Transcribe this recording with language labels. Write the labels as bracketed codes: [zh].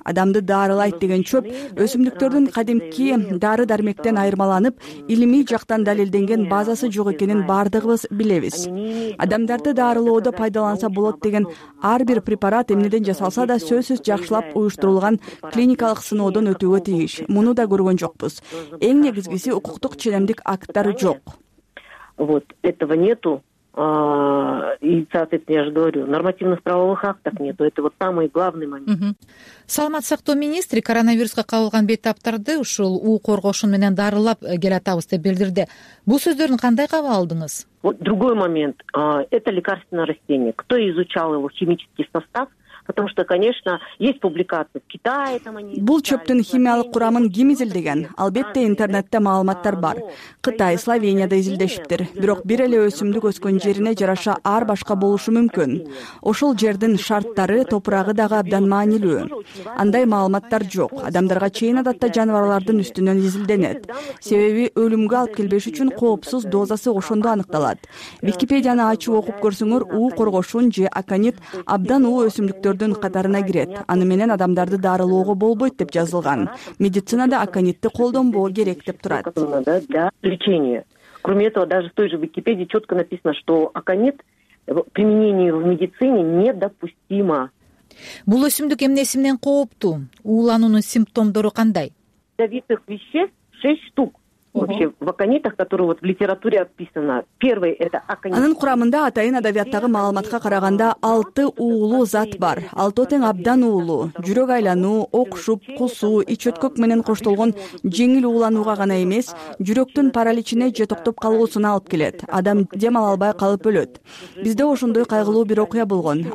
[ky] Адамды дарылайт деген чөп өсүмдүктөрдүн кадимки дары дармектен айырмаланып, илимий жактан далилденген базасы жок экенин бардыгыбыз билебиз. Адамдарды дарылоодо пайдаланса болот деген ар бир препарат эмнеден жасалса да сөзсүз жакшылап уюштурулган клиникалык сыноодон өтүүгө тийиш. Муну да көргөн жокпуз. Эң негизгиси укуктук ченемдик акттар жок. [ru] Вот этого нету. И, соответственно, я же говорю, нормативных правовых актов нету. Это вот самый главный момент. [ky] Саламат сактоо министри коронавируска кабылган бетаптарды ушул уу коргошун менен дарылап келатабыз деп билдирди. Бул сөздөрүн кандай кабыл алдыңыз? [ru] Вот другой момент. Это лекарственное растение. Кто изучал его химический состав? Потому что, конечно, есть публикации в Китае. [ky] Бул чөптүн химиялык курамын ким изилдеген? Албетте, интернетте маалыматтар бар. Кытай, Словенияда изилдешиптир. Бирок бир эле өсүмдүк өскөн жерине жараша ар башка болушу мүмкүн. Ошол жердин шарттары, топурагы дагы абдан маанилүү. Андай маалыматтар жок. Адамдарга чейин адатта жаныбарлардын үстүнөн изилденет. Себеби өлүмгө алып келбеш үчүн коопсуз дозасы ошондо аныкталат. Википедияны ачып окуп көрсөңөр, уу коргошун же аконит абдан уу өсүмдүк өрдүн катарына кирет. Аны менен адамдарды дарылоого болбойт деп жазылган. Медицинада аконитти колдонбоо керек деп турат. [ru] Кроме этого, даже в той же Википедии четко написано, что аконит применение в медицине недопустимо. [ky] Бул өсүмдүк эмнеси менен кооптуу? Уулануунун симптомдору кандай? [ru] Ядовитых веществ 6 штук. Вообще в аконитах, которые вот в литературе описано. Первый это аконит. [ky] Анын курамында атайын адабияттагы маалыматка караганда 6 уулуу зат бар. Алтоо тең абдан уулуу, жүрөк айлануу, окшуп, кусуу, ич өткөк менен коштолгон жеңил уулануга гана эмес, жүрөктүн параличине же токтоп калуусуна алып келет. Адам дем ала албай калып өлөт. Бизде ошондой кайгылуу бир окуя болгон.